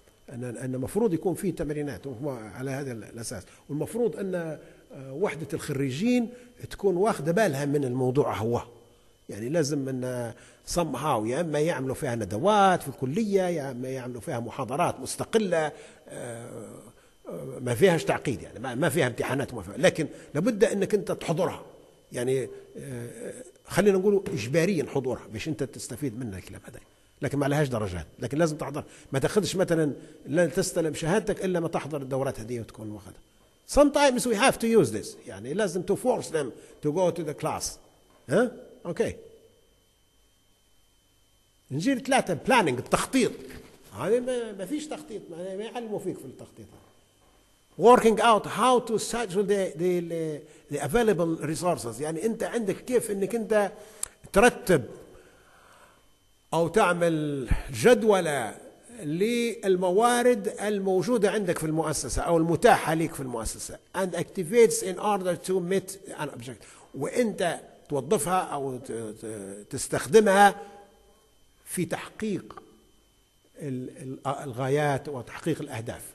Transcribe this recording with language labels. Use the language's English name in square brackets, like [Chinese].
[Arabic] أن المفروض يكون فيه تمرينات على هذا الأساس، والمفروض أن وحدة الخريجين تكون واخدة بالها من الموضوع هو، يعني لازم أن صمها، ويا أما يعملوا فيها ندوات في الكلية، يا أما يعملوا فيها محاضرات مستقلة ما فيهاش تعقيد، يعني ما فيها امتحانات، لكن لابد أنك أنت تحضرها، يعني خلينا نقول إجباريا حضورها باش أنت تستفيد منها الكلام هذا، لكن ما لهاش درجات، لكن لازم تحضر. ما تاخذش مثلا لا تستلم شهادتك الا ما تحضر الدورات هذه وتكون واخذها. [English] Sometimes we have to use this، [Arabic] يعني لازم [English] to force them to go to the class. [Arabic] ها اوكي، نجي لثلاثه، planning التخطيط. يعني ما فيش تخطيط، ما يعلموا فيك في التخطيط. [English] Working out how to schedule the available resources، [Arabic] يعني انت عندك كيف انك انت ترتب أو تعمل جدولة للموارد الموجودة عندك في المؤسسة أو المتاحة لك في المؤسسة، [English] and activates in order to meet an object، [Arabic] وأنت توظفها أو تستخدمها في تحقيق الغايات وتحقيق الأهداف.